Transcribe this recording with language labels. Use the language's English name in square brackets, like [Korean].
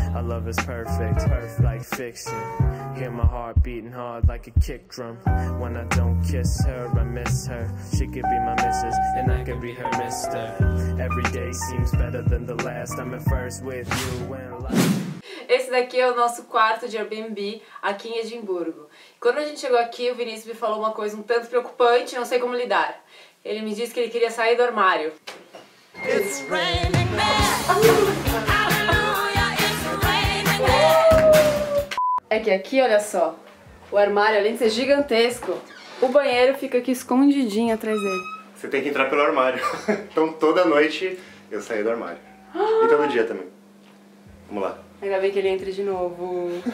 [English] Our love is perfect, perfect like fiction. Hear my heart beating hard like a kick drum. When I don't kiss her, I miss her. She could be my missus, and I could be her mister. Every day seems better than the last. I'm at first with you when life... [Portuguese] Esse daqui é o nosso quarto de Airbnb aqui em Edimburgo. Quando a gente chegou aqui, o Vinícius me falou uma coisa um tanto preocupante, não sei como lidar. Ele me disse que ele queria sair do armário. [English] It's raining men. Hallelujah, it's raining men. [Portuguese] É que aqui, olha só, o armário, além de ser gigantesco, o banheiro fica aqui escondidinho atrás dele. Você tem que entrar pelo armário. Então toda noite eu saio do armário. E todo dia também. Vamos lá. Ainda bem que ele entra de novo.